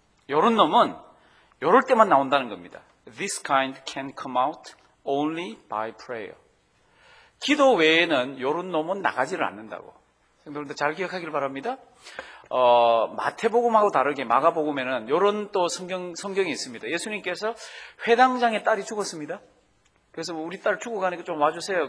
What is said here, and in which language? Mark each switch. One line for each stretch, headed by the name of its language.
Korean: 요런 놈은 요럴 때만 나온다는 겁니다.
English: This kind can come out only by prayer.
Korean: 기도 외에는 요런 놈은 나가지를 않는다고. 여러분들 잘 기억하길 바랍니다. 마태복음하고 다르게 마가복음에는 요런 또 성경이 있습니다. 예수님께서 회당장의 딸이 죽었습니다. 그래서 우리 딸 죽어가니까 좀 와주세요.